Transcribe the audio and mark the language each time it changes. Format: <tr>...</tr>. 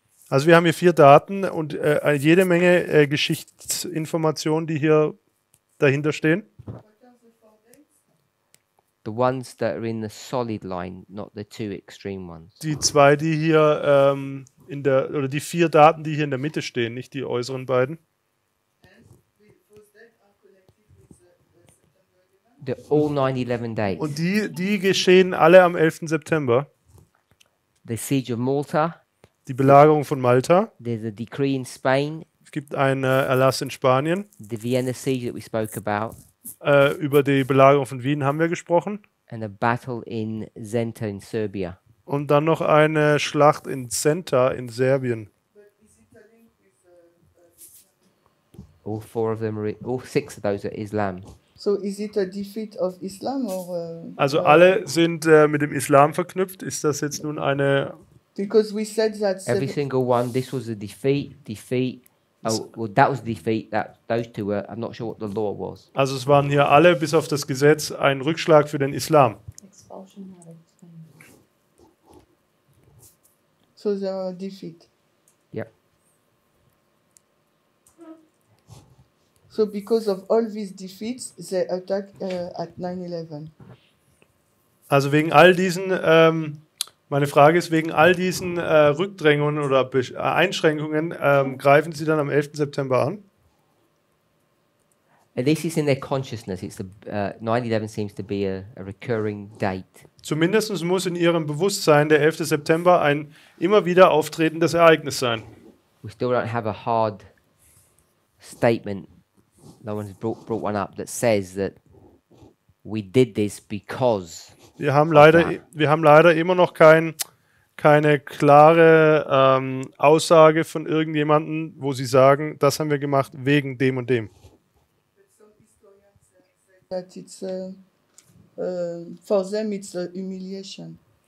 <de>Also wir haben hier vier Daten und jede Menge Geschichtsinformationen, die hier dahinter stehen.</de> <en>The ones that are in the solid line, not the two extreme ones.</en> <de>Die zwei, die hier in der oder die vier Daten, die hier in der Mitte stehen, nicht die äußeren beiden.</de> <en>The all 9/11 dates.</en> <de>Und die geschehen alle am 11. September.</de> <en>The siege of Malta.</en> <de>Die Belagerung von Malta.</de> <en>There's a decree in Spain.</en> <de>Es gibt einen Erlass in Spanien.</de> <en>The Vienna siege that we spoke about.</en> <de>Über die Belagerung von Wien haben wir gesprochen.</de> <en>And a battle in Zenta in Serbia.</en> <de>Und dann noch eine Schlacht in Zenta in Serbien.</de> <en>All four of them are all six of those are Islam. So is it a defeat of Islam or</en> <de>also alle sind mit dem Islam verknüpft, ist das jetzt nun eine</de> <en>because we said that every single one this was a defeat oh well that was defeat that those two were I'm not sure what the law was.</en> <de>Also es waren hier alle bis auf das Gesetz ein Rückschlag für den Islam.</de> <en>So they are a defeat. So because of all these defeats, they attack at 9/11.</en> <de>Also wegen all diesen, meine Frage ist, wegen all diesen Rückdrängungen oder Einschränkungen, greifen sie dann am 11. September an?</de> <en>At least it's in their consciousness. It's the 9/11 seems to be a recurring date.</en> <de>Zumindest muss in ihrem Bewusstsein der 11. September ein immer wieder auftretendes Ereignis sein.</de> <en>We still don't have a hard statement. No one has brought one up that says that we did this because.</en> <de>Wir haben leider immer noch keine klare Aussage von irgendjemanden, wo sie sagen, das haben wir gemacht wegen dem und dem.</de> <en>That it's for them it's a humiliation.</en>